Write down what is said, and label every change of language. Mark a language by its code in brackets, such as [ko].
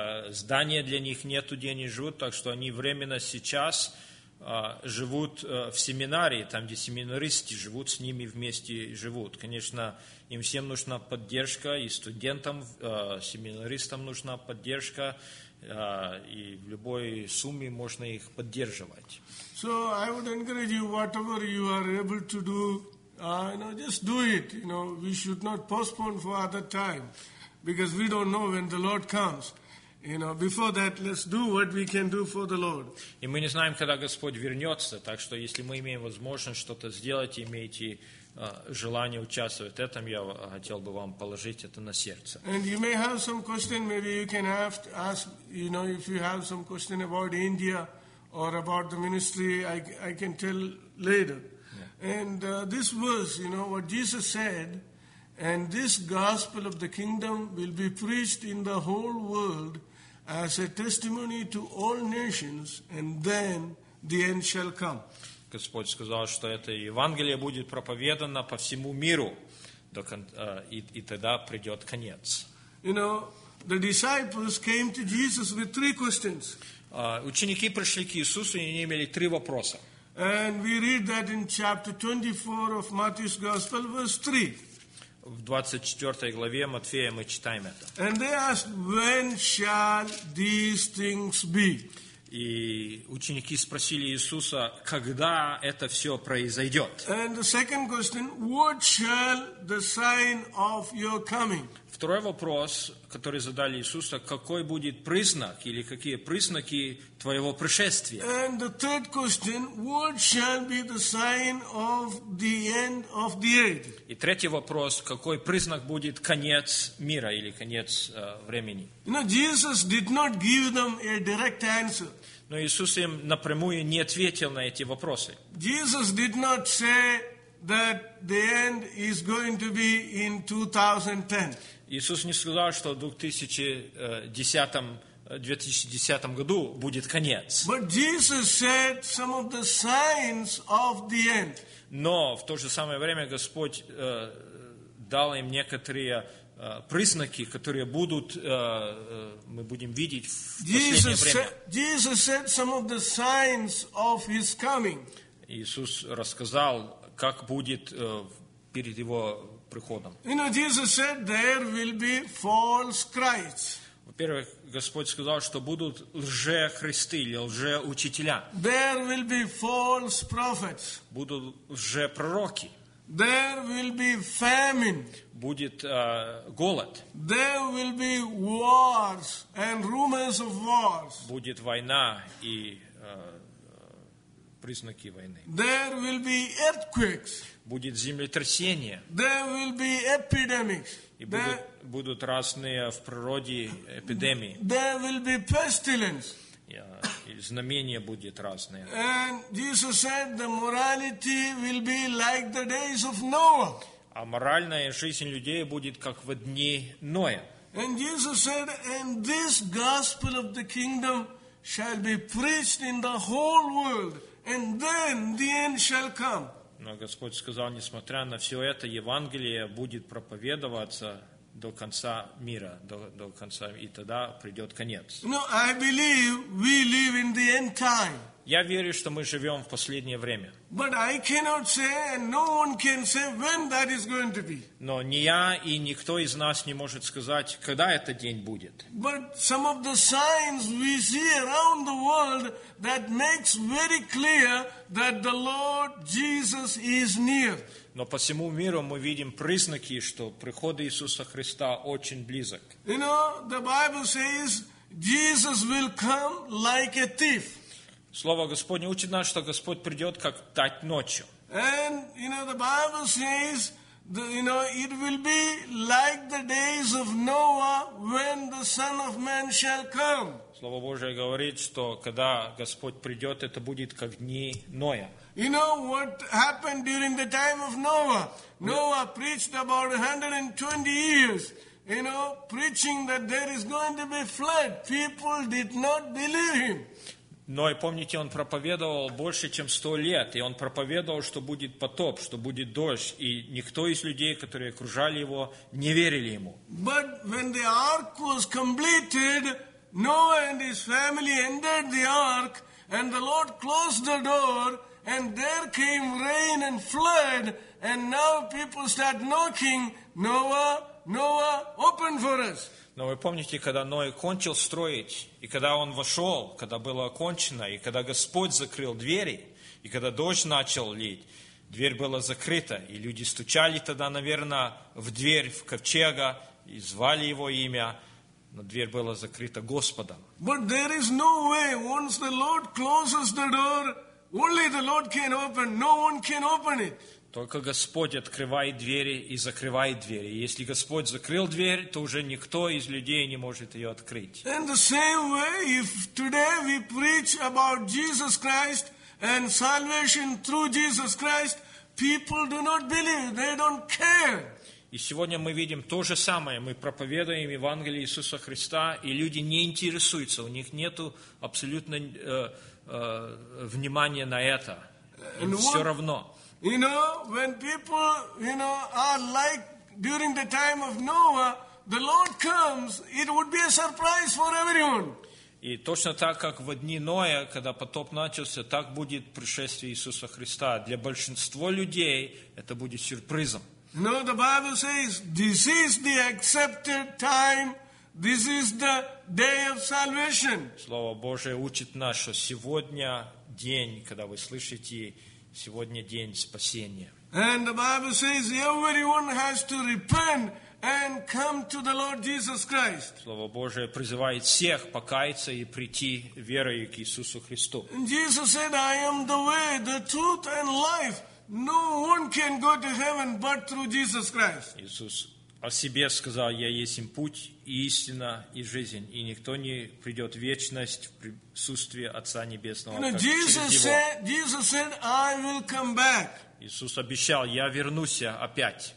[ru] Здания для них нету, где они живут, так что они временно сейчас живут в семинарии, там, где семинаристы живут, с ними вместе живут. Конечно, им всем нужна поддержка, и студентам, семинаристам нужна поддержка, и в любой сумме можно их поддерживать. [en] So I would encourage you, whatever you are able to do, you know, just do it. You know, we should not postpone for other time, because we don't know when the Lord comes. You know, before that, let's do what we can do for the Lord. [ru] И мы не знаем, когда Господь вернется, так что если мы имеем возможность что-то сделать, имейте желание участвовать в этом, я хотел бы вам положить это на сердце. [en] And you may have some question, maybe you can ask, you know, if you have some question about India or about the ministry, I can tell later. Yeah. And this verse, you know, what Jesus said, and this gospel of the kingdom will be preached in the whole world as a testimony to all nations, and then the end shall come. [ru] Господь сказал, что это Евангелие будет проповедано по всему миру, и тогда придет конец. [en] You know, the disciples came to Jesus with three questions. [ru] Ученики пришли к Иисусу, и они имели три вопроса. [en] And we read that in chapter 24 of Matthew's Gospel, verse 3. [ru] В 24 главе Матфея мы читаем это. [en] And they asked, when shall these things be? [ru] И ученики спросили Иисуса, когда это все произойдет? [en] And the second question, what shall the sign of your coming? [ru] Второй вопрос, который задали Иисуса, какой будет признак или какие признаки твоего пришествия? [en] And the third question, what shall be the sign of the end of the age? [ru] И третий вопрос, какой признак будет конец мира или конец времени? [en] You know, Jesus did not give them a direct answer. [ru] Но Иисус им напрямую не ответил на эти вопросы. [en] Jesus did not say that the end is going to be in 2010. [ru] Иисус не сказал, что в 2010 году будет конец. [en] But Jesus said some of the signs of the end. [ru] Но в то же самое время Господь дал им некоторые признаки, которые будут, мы будем видеть в [en] Jesus [ru] последнее время. [en] Jesus said some of the signs of his coming. [ru] Иисус рассказал, как будет перед его приходом. [en] You know, Jesus said there will be false Christs. [ru] Во-первых, Господь сказал, что будут лжехристы или лжеучителя. [en] There will be false prophets. [ru] Будут лжепророки. [en] There will be famine. [ru] Будет голод. [en] There will be wars and rumors of wars. [ru] Будет война и признаки войны. [en] There will be earthquakes. [ru] Будет землетрясение. [en] There will be epidemics. [ru] И будут разные в природе эпидемии. [en] There will be pestilence. [ru] И знамения будут разные. [en] And Jesus said the morality will be like the days of Noah. [ru] А моральная жизнь людей будет как в дни Ноя. [en] And Jesus said, and this gospel of the kingdom shall be preached in the whole world And then the end shall come. [ru] Но Господь сказал, несмотря на все это, Евангелие будет проповедоваться до конца мира, до конца, и тогда придет конец. [en] No, I believe we live in the end time. [ru] Я верю, что мы живем в последнее время. [en] But I cannot say, and no one can say when that is going to be. [ru] Но ни я и никто из нас не может сказать, когда этот день будет. [en] But some of the signs we see around the world that makes very clear that the Lord Jesus is near. [ru] Но по всему миру мы видим признаки, что приход Иисуса Христа очень близок. [en] You know, the Bible says Jesus will come like a thief. [ru] Слово Господне учит нас, что Господь придет как тать ночью. [en] And, you know, the Bible says, you know, it will be like the days of Noah when the Son of Man shall come. [ru] Слово Божие говорит, что когда Господь придет, это будет как дни Ноя. [en] You know what happened during the time of Noah? Noah preached about 120 years, you know, preaching that there is going to be flood. People did not believe him. [ru] Но и помните, он проповедовал больше, чем 100 лет, и он проповедовал, что будет потоп, что будет дождь, и никто из людей, которые окружали его, не верили ему. [en] But when the ark was completed, Noah and his family entered the ark, and the Lord closed the door, and there came rain and flood, and now people start knocking, Noah, Noah, open for us. [ru] Но вы помните, когда Ной кончил строить, и когда он вошел, когда было окончено, и когда Господь закрыл двери, и когда дождь начал лить, дверь была закрыта, и люди стучали тогда, наверное, в дверь, в ковчега, и звали его имя, но дверь была закрыта Господом. [en] But there is no way, once the Lord closes the door, only the Lord can open, no one can open it. [ru] Только Господь открывает двери и закрывает двери. И если Господь закрыл дверь, то уже никто из людей не может ее открыть. [en] In the same way, if today we preach about Jesus Christ and salvation through Jesus Christ, people do not believe, they don't care. [ru] И сегодня мы видим то же самое. Мы проповедуем Евангелие Иисуса Христа, и люди не интересуются. У них нет абсолютно внимания на это. Им все равно. [en] You know, when people, you know, are like during the time of Noah, the Lord comes, it would be a surprise for everyone. [ru] И точно так, как в дни Ноя, когда потоп начался, так будет пришествие Иисуса Христа. Для большинства людей это будет сюрпризом. [en] No, the Bible says, this is the accepted time, this is the day of salvation. [ru] Слово Божие учит нас, что сегодня день, когда вы слышите сегодня день спасения. [en] And the Bible says everyone has to repent and come to the Lord Jesus Christ. [ru] Слово Божие призывает всех покаяться и прийти верою к Иисусу Христу. [en] And Jesus said, I am the way, the truth and life. No one can go to heaven but through Jesus Christ. [ru] Иисус о себе сказал, я есть путь, истина и жизнь, и никто не придет в вечность в присутствии Отца Небесного, как Jesus через Него. [en] Said, I will come back. [ru] Иисус обещал, я вернусь опять.